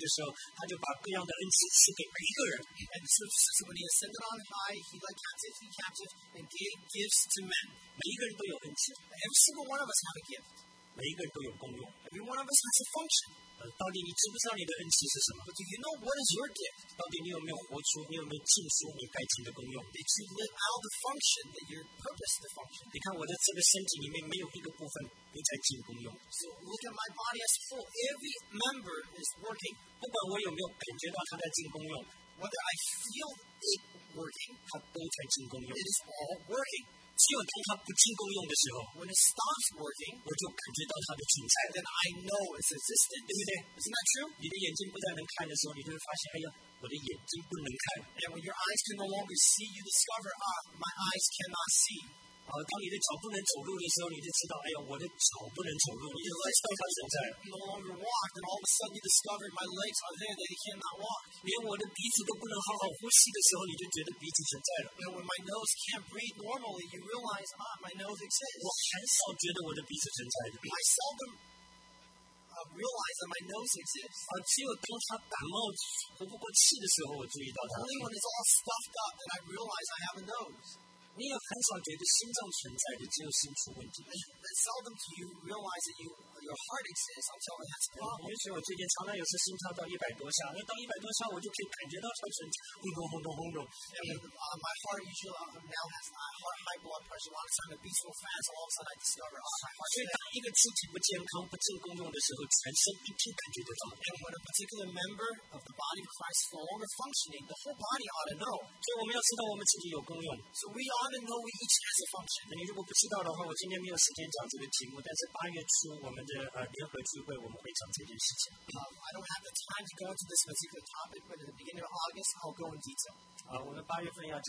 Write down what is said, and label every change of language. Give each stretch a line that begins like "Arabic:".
Chinese: 这是圣经上说的，当他升上高天掳掠仇敌的时候，他就把各样的恩赐赐给每一个人。
English: And so when he ascended on high, he led captivity captive and gave gifts to men.
Chinese: 每一个人都有恩赐。
English: Every single one of us have a gift.
Chinese: 每一个人都有功用,
English: every one of us has a function.
Chinese: 到底你知不知道你的恩赐是什么?
English: But do you know what is your gift?
Chinese: 到底你有没有活出,
English: did you live out the function that your purpose to function?
Chinese: 你看我的这个身体里面没有一个部分没在进功用。
English: So look at my body as full. Every member is working.
Chinese: 不管我有没有感觉到它在进功用,
English: whether I feel it working,
Chinese: 它都在进功用,
English: it is all working.
Chinese: 只有当它不进功用的时候,
English: when it stops working,
Chinese: 我就感觉到它的存在,
English: then I know its existence.
Chinese: 对不对?
English: Isn't that true?
Chinese: 你的眼睛不再能看的时候, 你就会发现, 哎呀, 我的眼睛不能看。
English: And when your eyes can no longer see, you discover, ah, my eyes cannot see.
Chinese: 当你的脚不能走路的时候, 你就知道, 哎呀, 我的脚不能走路, 你就知道它存在。
English: No longer walk, and all of a sudden you discover my legs are there, they cannot walk.
Chinese: 连我的鼻子都不能好好呼吸的时候, 你就觉得鼻子存在了。
English: And when my nose can't breathe normally, you realize, ah, my nose exists.
Chinese: 我很少觉得我的鼻子存在的。
English: I seldom realize that my nose exists.
Chinese: 只有当它感冒喘不过气的时候，我注意到它。
English: Only when it's all stuffed up that I realize I have a nose.
Chinese: 你也很少觉得心脏存在的，只有心出问题。
English: But seldom do you realize that your heart exists until it has a problem.
Chinese: 尤其我最近常常有时心跳到一百多下，那到一百多下我就可以感觉到它存在，轰隆轰隆轰隆。
English: My heart usually now has high blood pressure, a lot of time it beats so fast, all of a sudden I discover, oh, my heart.
Chinese: 所以当一个身体不健康、不正功用的时候，全身一定感觉得到。
English: And when a particular member of the body of Christ is no longer functioning, the whole body ought to know.
Chinese: 所以我们要知道我们自己有功用。
English: So we ought to know we each has a function.
Chinese: 那你如果不知道的话，我今天没有时间讲这个题目，但是八月初我们
English: I don't have the time to go into this particular topic, but at the beginning of August, I'll go in detail.